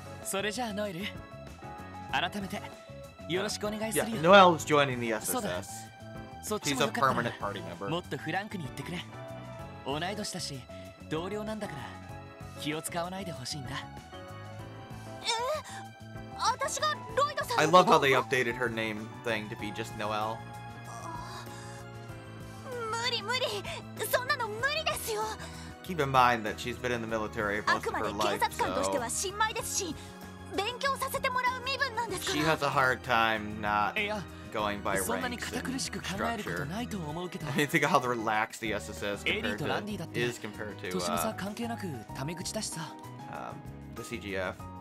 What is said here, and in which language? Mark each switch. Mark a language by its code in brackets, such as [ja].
[ja] それじゃあノエル、改めてよろしくお願いするよ。 [en] Yeah. Noel is joining the SSS. [ja] そうだ。 [en] She's a permanent party member. [ja] もっとフランクに言ってくれ。同い年だし、同僚なんだから、気を使わないでほしいんだ。え、私がロイドさん。 [en] I love how they updated her name thing to be just Noel. [ja] 無理無理、そんなの無理ですよ。 [en] Keep in mind that she's been in the military most of her life. [ja] あくまで警察官としては新米ですし、勉強させてもらう身分なんですから。 [en] She has a hard time not. Going by ranks and structure. I mean, think of how relaxed the SSS is compared to the CGF.